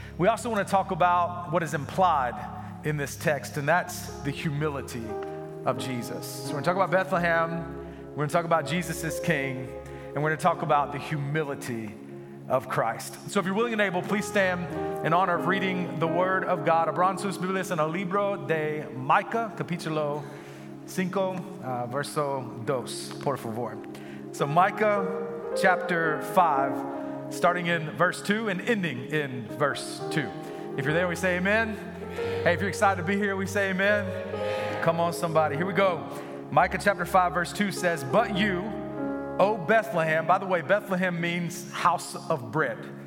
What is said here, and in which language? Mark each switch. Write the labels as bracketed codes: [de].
[en] We also want to talk about what is implied in this text, and that's the humility of Jesus. So we're going to talk about Bethlehem, we're going to talk about Jesus as King, and we're going to talk about the humility of Christ. So if you're willing and able, please stand in honor of reading the Word of God. [es] Abramos Biblis en el libro de Micah, capítulo 5, verso 2, por favor. [en] So Micah chapter 5, starting in verse 2 and ending in verse 2. If you're there, we say amen. Hey, if you're excited to be here, we say amen. Amen. Come on, somebody. Here we go. Micah chapter 5, verse 2 says, "But you, O Bethlehem," by the way, Bethlehem means house of bread.